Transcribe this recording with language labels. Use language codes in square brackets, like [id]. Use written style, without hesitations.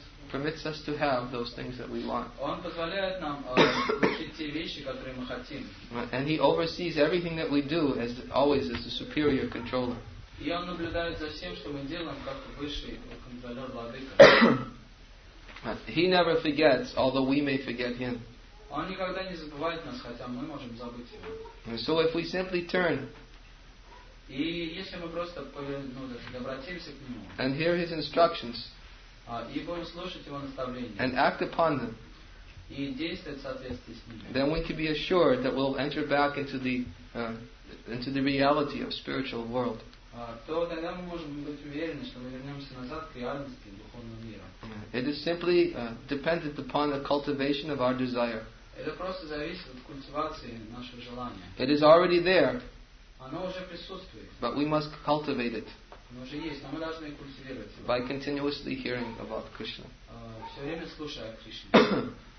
[en] Permits us to have those things that we want. [ru] Он позволяет нам получить те вещи, которые мы хотим. [en] And he oversees everything that we do as always as the superior controller. [ru] И он наблюдает за всем, что мы делаем, как высший контролер владыка. [en] He never forgets, although we may forget him. [ru] Он никогда не забывает нас, хотя мы можем забыть его. [en] And so if we simply turn. [ru] И если мы просто обратимся к нему. [en] And hear his instructions. [ru] И будем слушать его наставления. [en] And act upon them. [ru] И действовать в соответствии с ними. [en] Then we can be assured that we'll enter back into the reality of spiritual world. [ru] То тогда мы можем быть уверены, что мы вернемся назад к реальности духовного мира. [en] It is simply dependent upon the cultivation of our desire. [ru] Это просто зависит от культивации нашего желания. [en] It is already there. [ru] Оно уже присутствует. [en] But we must cultivate it. [ru] Оно уже есть, но мы должны культивировать его. [en] By continuously hearing about Krishna. [ru] Все время слушая Кришну.